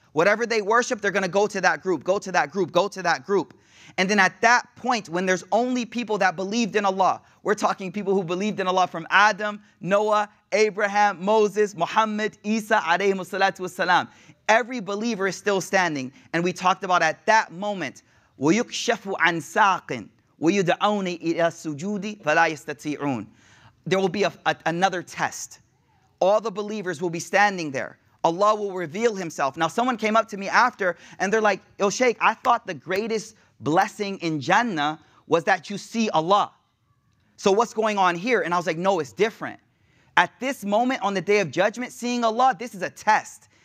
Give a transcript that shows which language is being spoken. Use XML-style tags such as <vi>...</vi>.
<en>Whatever they worship, they're going to go to that group, go to that group, go to that group. And then at that point, when there's only people that believed in Allah, we're talking people who believed in Allah from Adam, Noah, Abraham, Moses, Muhammad, Isa, alayhi salatu wasalam. Every believer is still standing. And we talked about at that moment,</en> <ar>وَيُكْشَفُ عَنْ سَاقٍ وَيُدْعَوْنِ إِلَى السُّجُودِ فَلَا يَسْتَطِيعُونَ.</ar> <en>There will be another test. All the believers will be standing there. Allah will reveal himself. Now, someone came up to me after and they're like, yo, Shaykh, I thought the greatest blessing in Jannah was that you see Allah. So what's going on here? And I was like, no, it's different. At this moment on the Day of Judgment, seeing Allah, this is a test.</en>